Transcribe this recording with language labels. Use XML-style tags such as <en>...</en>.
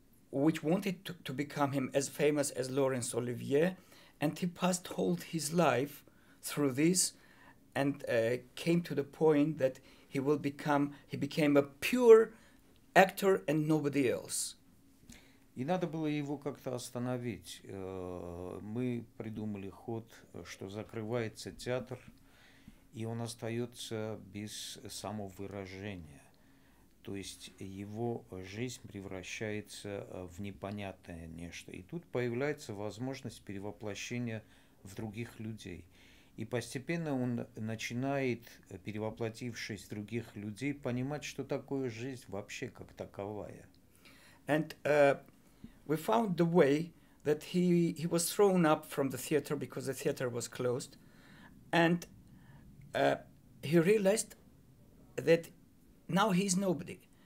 <en>which wanted to become him as famous as Laurence Olivier, and he passed all his life through this and came to the point that he became a pure actor and nobody else.</en> <ru>И надо было его как-то остановить. Мы придумали ход, что закрывается театр, и он остается без самовыражения. То есть его жизнь превращается в непонятное нечто. И тут появляется возможность перевоплощения в других людей. И постепенно он начинает, перевоплотившись в других людей, понимать, что такое жизнь вообще как таковая.</ru> <en>And we found the way that he was thrown up from the theater because the theater was closed. And he realized that now he's nobody.</en>